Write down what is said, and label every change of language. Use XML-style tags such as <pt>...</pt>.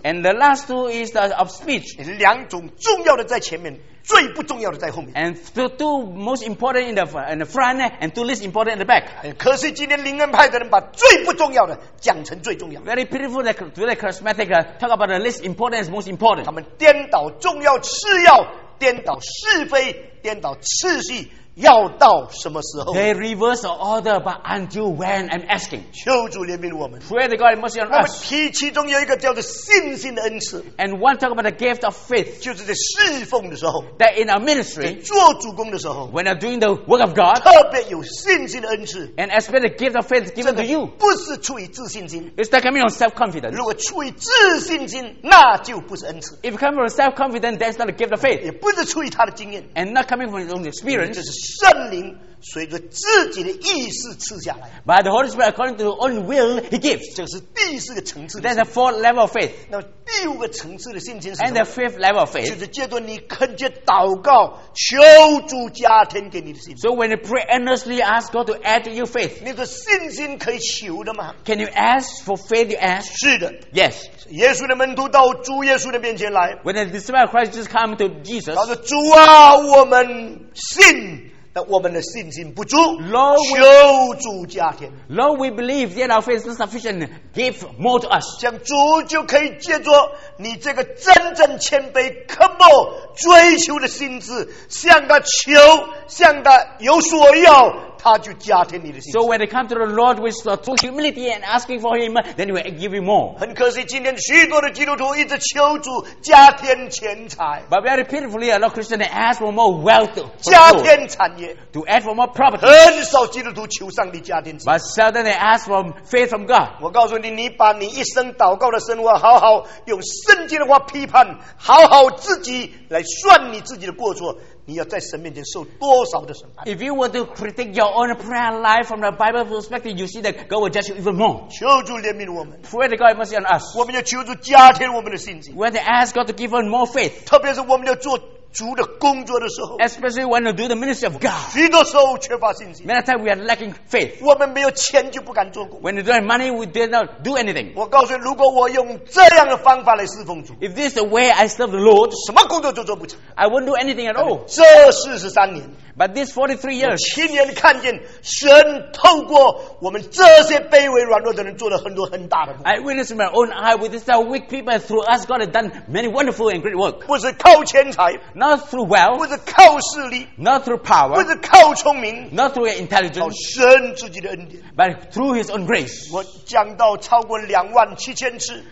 <en>And the last two is the of speech.</en> <zh>两种重要的在前面。最不重要的在后面。</zh> <en>And the two most important in the front, and two least important in the back.</en> <zh>可是今天灵恩派的人把最不重要的讲成最重要。</zh> <en>Very beautiful that really charismatic talk about the least important is most important.</en> <zh>他们颠倒重要次要，颠倒是非，颠倒次序，要到什么时候</zh> <en>？They reverse the order, but until when? I'm asking.</en> <zh>求主怜悯我们。</zh> <en>Pray to God mercy on us.</en> <zh>我们提其中有一个叫做信心的恩赐。</zh> <en>And one talk about the gift of faith.</en> <zh>就是在侍奉的时候。</zh> <en>That in our ministry.</en> <zh>在做主工的时候。</zh> <en>When I'm doing the work of God.</en> <zh>特别有信心的恩赐。</zh> <en>And especially the gift of faith given to you.</en> <zh>不是出于自信心。</zh> <en>It's that coming from self-confidence.</en> <zh>如果出于自信心，那就不是恩赐。</zh> <en>If coming from self-confidence, that's not a gift of faith.</en> <zh>也不是出于他的经验。</zh> <en>And not coming from his own experience.</en> <zh>这是。圣灵随着自己的意识赐下来。</zh> <en>By the Holy Spirit, according to his own will, he gives.</en> <zh>这是第四个层次。</zh> <en>That's the fourth level of faith.</en> <zh>那第五个层次的信心是什么</zh> <en>？And the fifth level of faith.</en> <zh>就是借着你恳切祷告，求主加添给你的信心。</zh> <en>So when you pray earnestly, ask God to add to your faith.</en> <zh>你的信心可以求的吗</zh> <en>？Can you ask for faith? You ask.</en> <zh>是的。</zh> <en>Yes.</en> <zh>耶稣的门徒到主耶稣的面前来。</zh> <en>When the disciple Christ just come to Jesus.</en> <zh>他说：“主啊，我们信。” 但我们的信心不足</zh> <en>Lord,</en> <zh>求主加添</zh> <en>Lord we believe that our faith is not sufficient give more to us</en> <zh>像主就可以借着你这个真正谦卑 come on 追求的心智向他求向他有所要他就加添你的信心</zh> <en>So when they come to the Lord with true humility and asking for him then he will give you more</en> <zh>很可惜今天许多的基督徒一直求主加添钱财</zh> <en>But very pitifully a lot of Christians ask for more wealth</en> <zh>加添产业</zh> <en>To add for more property</en> <zh>很少基督徒求上帝加添钱</zh> <en>But seldom they ask for faith from God</en> <zh>我告诉你你把你一生祷告的生活好好用圣经的话批判好好自己来算你自己的过错你要在神面前受多少的审判</zh> <en>If you were to critique your own prayer life from the Bible perspective you see that God will judge you even more</en> <zh>求主怜悯我们</zh> <en>Pray to God mercy on us</en> <zh>我们要求主加添我们的信心</zh> <en>We have to ask God to give us more faith</en> <zh>特别是我们要做主的工作的时候</zh> <en>Especially when we do the ministry of God</en> <zh>许多时候缺乏信心</zh> <en>Many times we are lacking faith</en> <zh>我们没有钱就不敢做工</zh> <en>When we don't have money we do not do anything</en> <zh>我告诉你如果我用这样的方法来侍奉主</zh> <en>If this is the way I serve the Lord</en> <zh>什么工作都做不成</zh> <en>I won't do anything at all</en> <zh>这43年</zh> <en>But this 43 years</en> <zh>我亲眼看见神透过我们这些卑微软弱的人做了很多很大的工</zh> <en>I witnessed my own eye with these weak people through us God has done many wonderful and great work</en> <zh>不是靠钱财</zh> <en>Not through wealth,</en> <zh>不是靠势力</zh> <en>not through power,</en> <zh>不是靠聪明</zh> <en>not through your intelligence,</en> <zh>靠神自己的恩典</zh> <en>but through his own grace.</en> <zh>我讲到超过27,000次</zh>